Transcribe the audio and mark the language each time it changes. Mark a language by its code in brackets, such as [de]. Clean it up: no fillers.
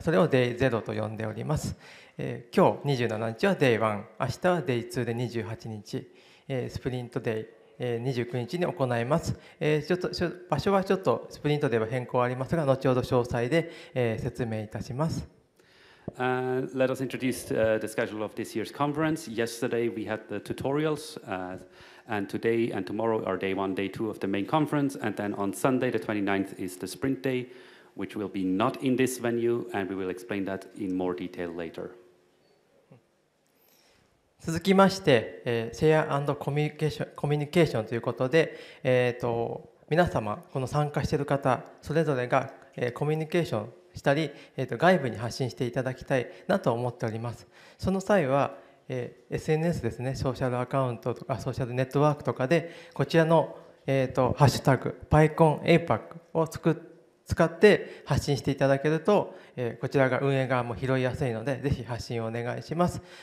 [ja] それをデイゼロと呼んでおります。今日27日はデイ1、明日はデイ2で28日、スプリントデイ、29日に行います。場所はちょっとスプリントデイは変更ありますが、後ほど詳細で、説明いたします。 [en] Let us introduce the schedule of this year's conference. Yesterday we had the tutorials, and today and tomorrow are day one, day two of the main conference, and then on Sunday the 29th is the sprint day, which will be not in this venue, and we will explain that in more detail later. [ja] 続きまして、シェア&コミュニケーションということで、皆様この参加している方それぞれが、コミュニケーションしたり、外部に発信していただきたいなと思っております。その際は、SNS ですね、ソーシャルアカウントとかソーシャルネットワークとかでこちらの、ハッシュタグ PyConAPAC を使って発信していただけると、こちらが運営側も拾いやすいのでぜひ発信をお願いします。